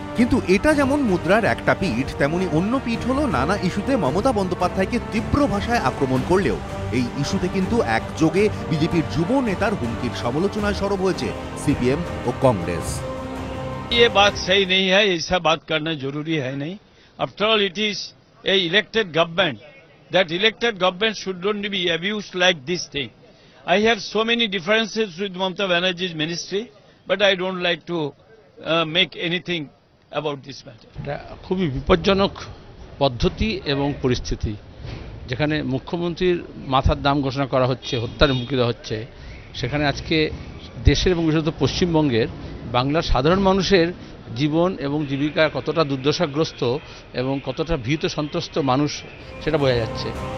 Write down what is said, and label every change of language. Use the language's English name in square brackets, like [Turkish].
[Bangla] কিন্তু এটা যেমন মুদ্রার একটা পিঠ, তেমনি অন্য পিঠ হলো নানা ইস্যুতে মমতা বন্দ্যোপাধ্যায়কে তীব্র ভাষায় আক্রমণ করলেও এই ইস্যুতে কিন্তু একযোগে বিজেপির যুব নেতার হুমকির সমালোচনায় সরব হয়েছে সিপিএম ও কংগ্রেস। [Hindi] ইয়ে বাত সেই নেই হ্যায়, এইসব বাত করনা জরুরি হ্যায় নেই, [English] After all it is a elected government, that elected government should not be abuse like this thing. I have so many differences with Mamata Banerjee's ministry, but I don't like to make anything about this matter. [Bangla] এটা খুবই বিপজ্জনক পদ্ধতি এবং পরিস্থিতি, যেখানে মুখ্যমন্ত্রীর মাথার দাম ঘোষণা করা হচ্ছে, হত্যার হুমকি দেওয়া হচ্ছে, সেখানে আজকে দেশের এবং বিশেষত পশ্চিমবঙ্গের বাংলার সাধারণ মানুষের জীবন এবং জীবিকা কতটা দুর্দশাগ্রস্ত এবং কতটা ভীত সন্ত্রস্ত মানুষ সেটা বোঝা যাচ্ছে।